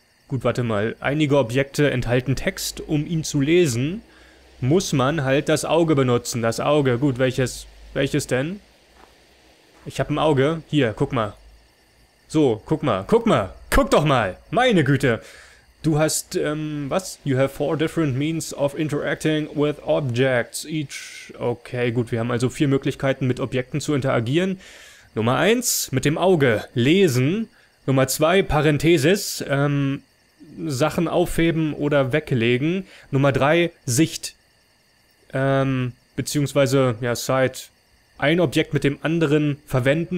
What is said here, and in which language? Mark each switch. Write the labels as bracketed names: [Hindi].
[German] Gut, warte mal, einige Objekte enthalten Text, um ihn zu lesen, muss man halt das Auge benutzen, das Auge, gut, welches denn? Ich habe ein Auge, hier, guck mal. So, guck mal, guck doch mal, meine Güte. Du hast, was? [English] You have 4 different means of interacting with objects each. [German] Okay, gut, wir haben also 4 Möglichkeiten, mit Objekten zu interagieren. Nummer 1, mit dem Auge, lesen. Nummer 2, Parenthesis, Sachen aufheben oder weglegen. Nummer 3, Sicht, beziehungsweise, ja, Sight, ein Objekt mit dem anderen verwenden.